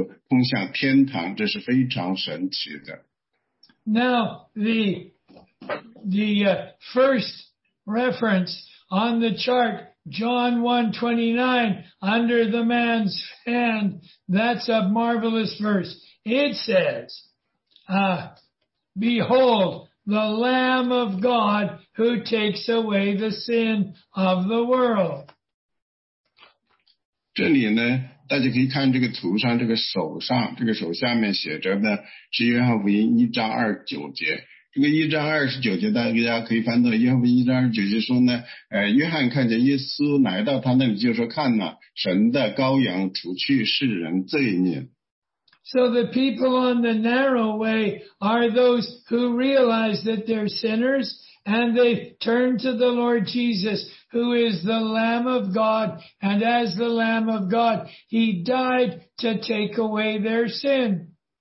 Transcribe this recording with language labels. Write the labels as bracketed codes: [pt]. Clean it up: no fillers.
[zh] 这就是为什么我们一直和人传讲我们的主耶稣基督，因为宽路呢是通向死亡的，窄路呢就是通过我们主耶稣基督的这个门进去的，然后我们就通向天堂，这是非常神奇的。 [en] Now, the first reference on the chart John 1:29, under the man's hand, that's a marvelous verse. It says, behold, the Lamb of God who takes away the sin of the world. [zh] 这里呢, 大家可以看这个图上这个手下面写着的是约翰福音一章二十九节这个一章二十九节大家可以翻到约翰福音一章二十九节说呢约翰看见耶稣来到他那里就说看哪神的羔羊除去世人罪孽。So [en] the people on the narrow way are those who realize that they're sinners and they turn to the Lord Jesus, who is the Lamb of God, and as the Lamb of God, he died to take away their sin.